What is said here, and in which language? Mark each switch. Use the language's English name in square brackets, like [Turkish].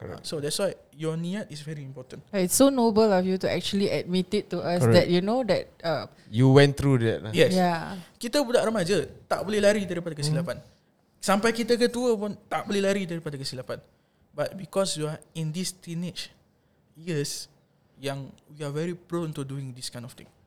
[English] So that's why your niat is very important. It's so noble of you to actually admit it to us. Correct. That you know that you went through that. Yes. Yeah. [Malay] Kita budak remaja tak boleh lari daripada kesilapan. Sampai kita ketua pun tak boleh lari daripada kesilapan. [English] But because you are in this teenage years yang we are very prone to doing this kind of thing.